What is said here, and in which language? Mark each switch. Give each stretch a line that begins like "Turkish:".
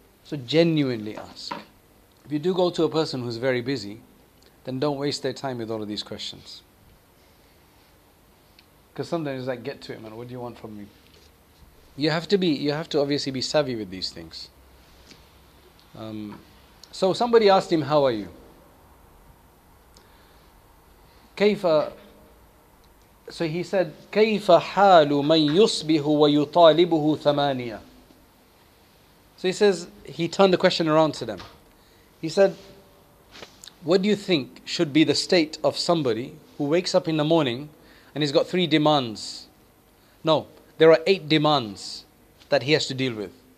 English: So genuinely ask. If you do go to a person who's very busy, then don't waste their time with all of these questions. Because sometimes it's like, get to it, man. What do you want from me? You have to obviously be savvy with these things. So somebody asked him, how are you?
Arabic: Kayfa.
English: So he said,
Arabic: كَيْفَ حَالُ مَنْ يُصْبِهُ وَيُطَالِبُهُ ثَمَانِيَةً.
English: So he says, he turned the question around to them. He said, what do you think should be the state of somebody who wakes up in the morning and he's got three demands? No, there are eight demands that he has to deal with.